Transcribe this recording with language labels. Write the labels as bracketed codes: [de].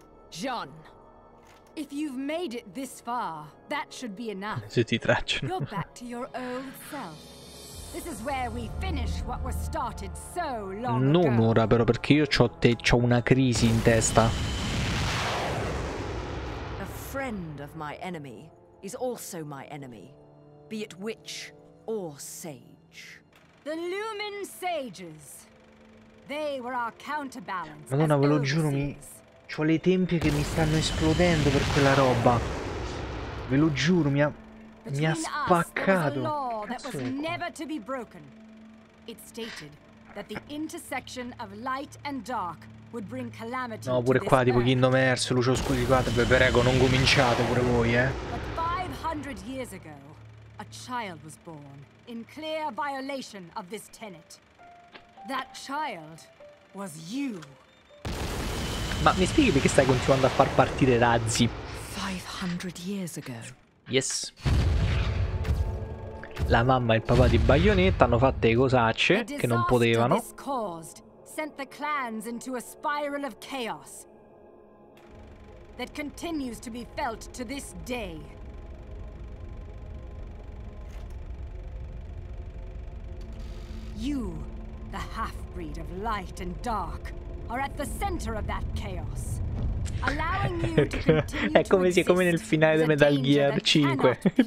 [en] John, if you've made it this far, that should be enough. [it] Se ti tracciano. [en] You're back to your old self. This is where we finish what was started so long ago. [it] Non ora però, perché io c'ho una crisi in testa. [en] A friend of my enemy is also my enemy, be it witch or sage. The Lumen Sages. They were our counterbalance. [it] Madonna, ve lo giuro, mi... c'ho le tempie che mi stanno esplodendo per quella roba. Ve lo giuro, mi ha spaccato. Cazzo è qua. [en] It stated that the intersection of light and dark would bring calamity. [it] No, pure qua, tipo Kingdom Hearts, Lucio Scudi, guarda, vi prego, non cominciate pure voi, eh. [en] But 500 years ago, a child was born in clear violation of this tenet. That child was you. [it] Ma mi spieghi perché stai continuando a far partire razzi? [en] 500 years ago. Yes. [it] La mamma e il papà di Bayonetta hanno fatto le cosacce che non potevano. [en] The disaster caused sent the clans into a spiral of chaos that continues to be felt to this day. You, the half-breed of light and dark, are at the center of that chaos, allowing you to continue. [it] È come [en] to [it] si è come nel finale di Metal Gear 5.